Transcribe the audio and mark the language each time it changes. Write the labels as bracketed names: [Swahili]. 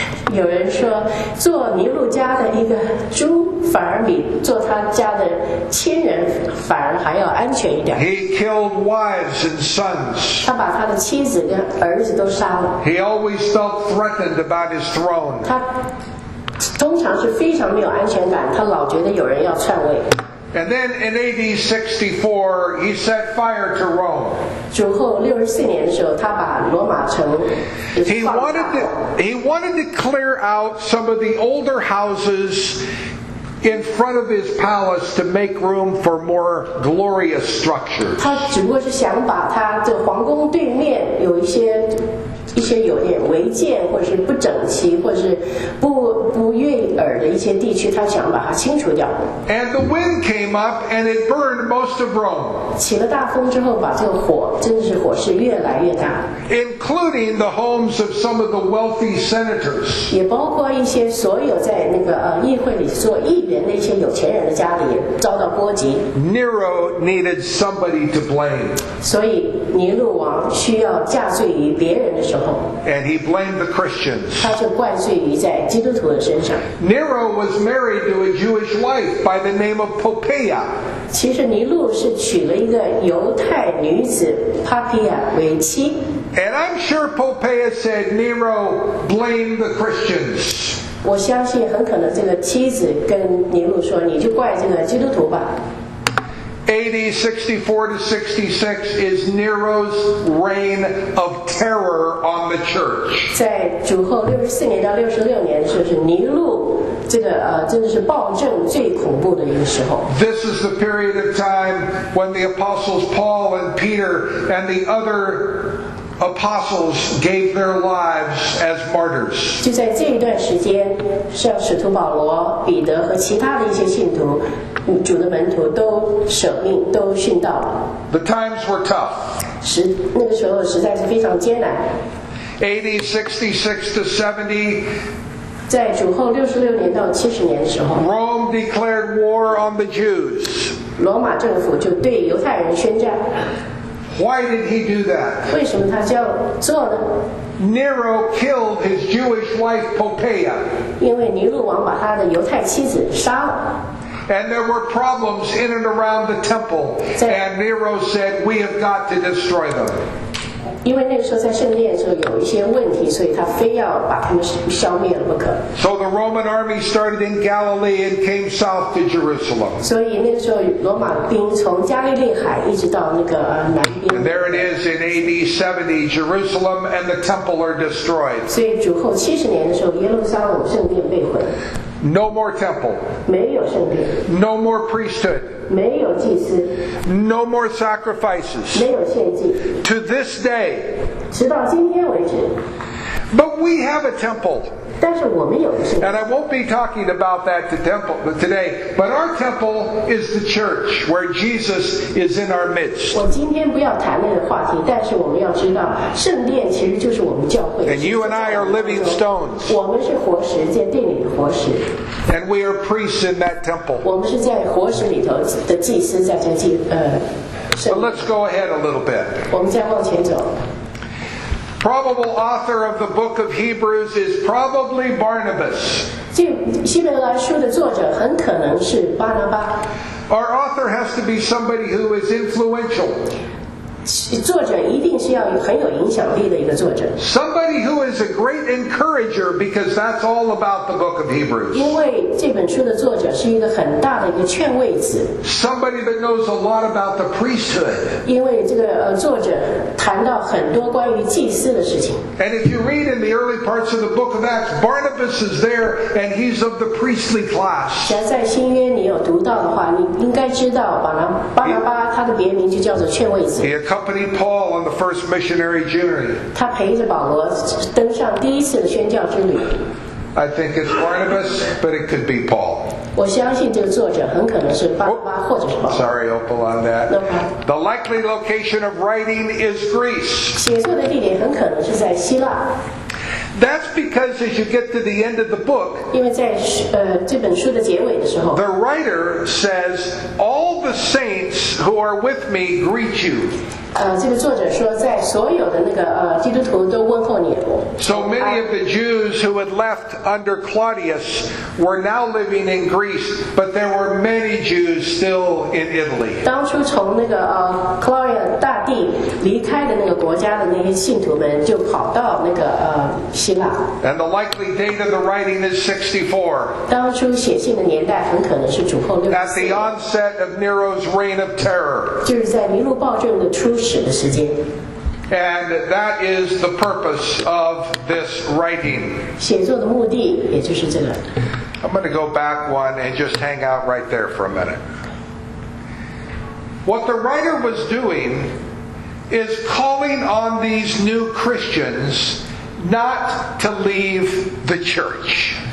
[Chinese] 有人说，做尼禄家的一个猪，反而比做他家的亲人反而还要安全一点。 [English] He killed wives and sons. [Chinese] 他把他的妻子跟儿子都杀了。 [English] He always felt threatened about his throne. [Chinese] 他通常是非常没有安全感，他老觉得有人要篡位。 [English] And then in AD 64, he set fire to Rome. [Chinese] 主后六十四年的时候，他把罗马城。 [English] He wanted to clear out some of the older houses in front of his palace to make room for more glorious structures. [Chinese] 他只不过是想把他这皇宫对面有一些有点违建，或是不整齐，或是不悦耳的一些地区，他想把它清除掉。 [English] And the wind came up and it burned most of Rome. [Chinese] 起了大风之后，把这个火，真的是火势越来越大。 [English] Including the homes of some of the wealthy senators. [Chinese] 也包括一些所有在那个议会里做议员的一些有钱人的家里遭到波及。 [English] Nero needed somebody to blame. [Chinese] 所以尼禄王需要嫁罪于别人的时候。 [English] And he blamed the Christians. [Chinese] 他就怪罪于在基督徒。 [English] Nero was married to a Jewish wife by the name of Poppaea. [Chinese] 其实尼禄是娶了一个犹太女子 Poppaea 为妻。 [English] And I'm sure Poppaea said Nero blamed the Christians. [Chinese] 我相信很可能这个妻子跟尼禄说，你就怪这个基督徒吧。 [English] AD 64 to 66 is Nero's reign of terror on the church. [Chinese] 在主后六十四年到六十六年，就是尼禄这个真的是暴政最恐怖的一个时候。 [English] This is the period of time when the apostles Paul and Peter and the other apostles gave their lives as martyrs. [Chinese] 就在这一段时间，像使徒保罗、彼得和其他的一些信徒。主的门徒都舍命，都殉道了。 [English] The times were tough. [Chinese] 那个时候实在是非常艰难。 [English] AD 66 to 70. [Chinese] 在主后六十六年到七十年的时候。 [English] Rome declared war on the Jews. [Chinese] 罗马政府就对犹太人宣战。 [English] Why did he do that? [Chinese] 为什么他这样做呢？ [English] Nero killed his Jewish wife Poppaea. [Chinese] 因为尼禄王把他的犹太妻子杀了。 [English] And there were problems in and around the temple. And Nero said, "We have got to destroy them." [Chinese] 因为那时候在圣殿的时候有一些问题，所以他非要把他们消灭了不可。 [English] So the Roman army started in Galilee and came south to Jerusalem. [Chinese] 所以那个时候罗马兵从加利利海一直到那个南边。 [English] And there it is in AD 70, Jerusalem and the temple are destroyed. [Chinese] 所以主后七十年的时候，耶路撒冷圣殿被毁。 [English] No more temple. [Chinese] 没有圣殿。 [English] No more priesthood. [Chinese] 没有祭司。 [English] No more sacrifices. [Chinese] 没有献祭。 [English] To this day. [Chinese] 直到今天为止。 [English] But we have a temple. [Chinese] 但是我们有圣殿。 [English] And I won't be talking about that today. But our temple is the church where Jesus is in our midst. [Chinese] 我今天不要谈那个话题，但是我们要知道，圣殿其实就是我们教会。 [English] And you and I are living stones. [Chinese] 我们是活石，建殿里的活石。 [English] And we are priests in that temple. [Chinese] 我们是在活石里头的祭司，在这祭 [English] But let's go ahead a little bit. [Chinese] 我们再往前走。 [English] Probable author of the book of Hebrews is probably Barnabas. [Chinese] 这希伯来书的作者很可能是巴拿巴。 [English] Our author has to be somebody who is influential. [Chinese] 作者一定是要有很有影响力的一个作者。 [English] Somebody who is a great encourager, because that's all about the book of Hebrews. [Chinese] 因为这本书的作者是一个很大的一个劝慰词。 [English] Somebody that knows a lot about the priesthood. [Chinese] 因为这个作者。谈到很多关于祭司的事情。 [English] And if you read in the early parts of the book of Acts, Barnabas is there, and he's of the priestly class. [Chinese] 假如在新约你有读到的话，你应该知道巴拿巴他的别名就叫做劝慰子。 [English] He accompanied Paul on the first missionary journey. [Chinese] 他陪着保罗登上第一次的宣教之旅。 [English] I think it's Barnabas, but it could be Paul. [Chinese] 我相信这个作者很可能是巴拿巴或者是保罗。 [English] Sorry, Opal, on that. No problem. The likely location of writing is Greece. [Chinese] 写作的地点很可能是在希腊。 [English] That's because as you get to the end of the book, [Chinese] 因为在这本书的结尾的时候 [English] the writer says, "All the saints who are with me greet you." [Chinese] 这个作者说，在所有的那个基督徒都问候你。 [English] So many of the Jews who had left under Claudius were now living in Greece, but there were many Jews still in Italy. [Chinese] 当初从那个Claudius 大帝离开的那个国家的那些信徒们就跑到那个希腊。 [English] And the likely date of the writing is 64. [Chinese] 当初写信的年代很可能是主后六十四年。 [English] At the onset of Nero's reign of terror. [Chinese] 就是在尼禄暴政的初始的时间。 [English] And that is the purpose of this writing. [Chinese] 写作的目的也就是这个。 [English] I'm going to go back one and just hang out right there for a minute. What the writer was doing is calling on these new Christians not to leave the church.